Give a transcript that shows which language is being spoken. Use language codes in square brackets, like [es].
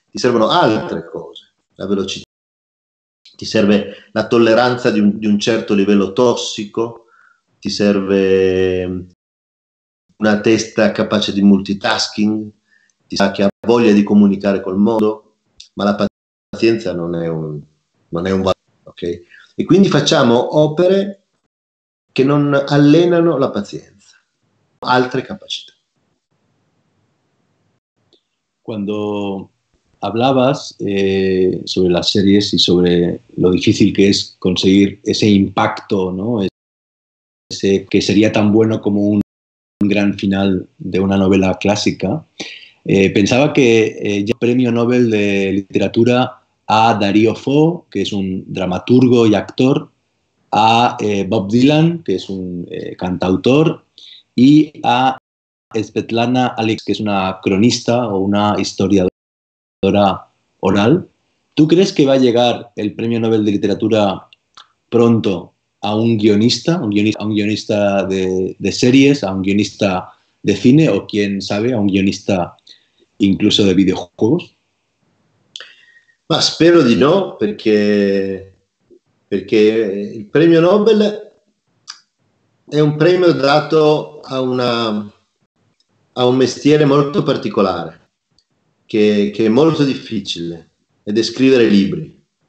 [it] Ti servono altre cose, la velocità, ti serve la tolleranza di un certo livello tossico, ti serve una testa capace di multitasking, ti sa che ha voglia di comunicare col mondo, ma la pazienza non è un valore, ok? E quindi facciamo opere che non allenano la pazienza, altre capacità. [es] Quando hablabas sobre las series y sobre lo difícil que es conseguir ese impacto, ¿no? Ese que sería tan bueno como un gran final de una novela clásica. Pensaba que ya premio Nobel de Literatura a Dario Fo, que es un dramaturgo y actor, a Bob Dylan, que es un cantautor, y a Svetlana Alexeyeva, que es una cronista o una historiadora oral. ¿Tú crees que va a llegar el Premio Nobel de Literatura pronto a un guionista, de series, a un guionista de cine o, quién sabe, a un guionista incluso de videojuegos? [it] Ma spero di no, perché il Premio Nobel è un premio dato a un mestiere molto particolare, che è molto difficile, ed è scrivere libri.